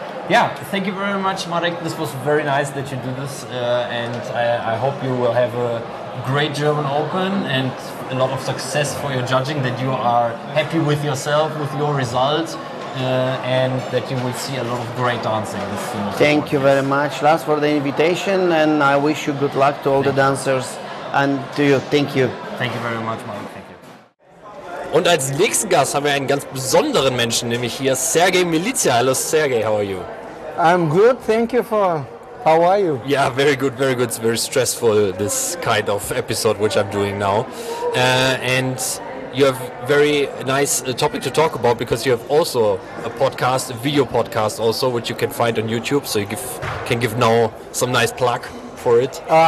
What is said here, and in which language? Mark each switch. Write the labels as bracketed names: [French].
[English] Yeah, thank you very much, Marek. This was very nice that you do this, and I hope you will have a great German Open and a lot of success for your judging, that you are happy with yourself, with your result, and that you will see a lot of great dancing. Thank you very much, Lars, for the invitation, and I wish you good luck to all the dancers and to you. Thank you. Thank you very much, Marek. [German] Und als nächsten Gast haben wir einen ganz besonderen Menschen, nämlich hier Sergei Milizia. [English] Hallo Sergei, how are you? I'm good, thank you for... How are you? Yeah, very good, very good. It's very stressful, this kind of episode which I'm doing now. And you have very nice topic to talk about, because you have also a podcast, a video podcast also, which you can find on YouTube, so you can give now some nice plug for it.